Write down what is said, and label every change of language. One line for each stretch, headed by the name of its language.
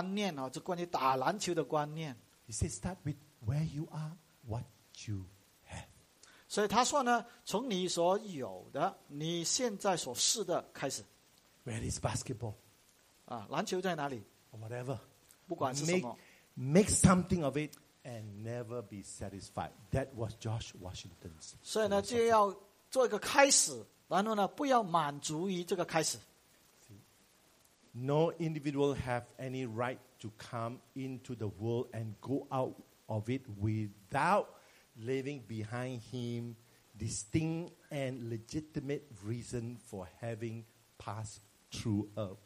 Chinese: 很简单，只因为他找到一个观念啊，就关于打篮球的观念。
English: He said, start with where you are, what you have.
Chinese: 所以他说呢，从你所有的，你现在所试的开始。
English: Where is basketball?
Chinese: 篮球在哪里？
English: Or whatever.
Chinese: 不管是什么,
English: make something of it and never be satisfied. That was George Washington's.
Chinese: 所以呢, 就要做一个开始, 然后呢, 不要满足于这个开始。
English: See, no individual have any right to come into the world and go out of it without leaving behind him distinct and legitimate reason for having passed through earth.